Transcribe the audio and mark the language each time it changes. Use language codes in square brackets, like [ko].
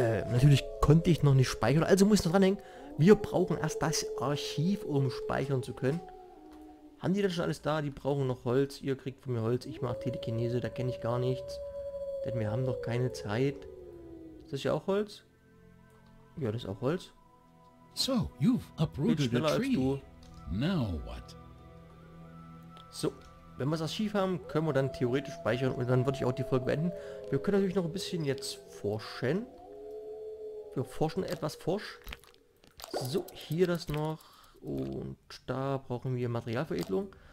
[de] Natürlich konnte ich noch nicht speichern, also muss ich noch dranhängen. Wir brauchen erst das Archiv, um speichern zu können. Haben die denn schon alles da? Die brauchen noch Holz, ihr kriegt von mir Holz, ich mache Telekinese, da kenne ich gar nichts. Denn wir haben noch keine Zeit. Ist das ja auch Holz? Ja, das ist auch Holz. [en] So, you've uprooted a tree. Now what? [de] So, wenn wir das Archiv haben, können wir dann theoretisch speichern und dann würde ich auch die Folge beenden. Wir können natürlich noch ein bisschen jetzt forschen. Wir forschen etwas forsch. So, hier das noch. Und da brauchen wir Materialveredelung.